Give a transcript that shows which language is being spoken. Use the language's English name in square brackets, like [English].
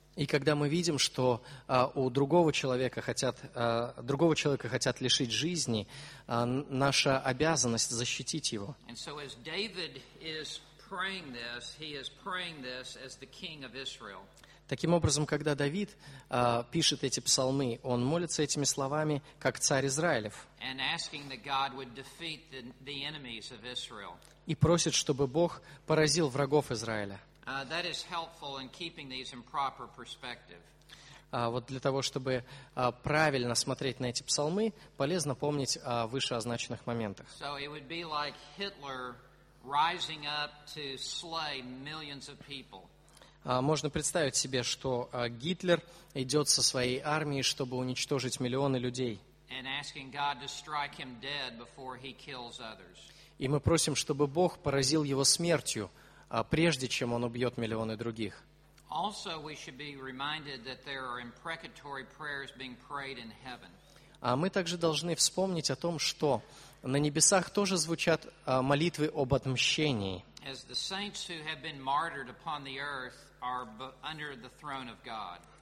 [Russian] и когда мы видим, что другого человека хотят лишить жизни, наша обязанность защитить его. [English] So this, [Russian] таким образом, когда Давид пишет эти псалмы, он молится этими словами, как царь Израилев. [English] And asking that God would defeat the enemies of Israel. [Russian] И просит, чтобы Бог поразил врагов Израиля. [English] That is helpful in keeping these in proper perspective. [Russian] Вот для того, чтобы правильно смотреть на эти псалмы, полезно помнить о вышеозначенных моментах. [English] So it would be like Hitler rising up to slay millions of people. [Russian] Можно представить себе, что Гитлер идет со своей армией, чтобы уничтожить миллионы людей. [English] And asking God to strike him dead before he kills others. [Russian] И мы просим, чтобы Бог поразил его смертью, прежде чем он убьет миллионы других. [English] Also, we should be reminded that there are imprecatory prayers being prayed in heaven. [Russian] А мы также должны вспомнить о том, что на небесах тоже звучат молитвы об отмщении. [English] As the saints who have been martyred upon the earth are under the throne of God.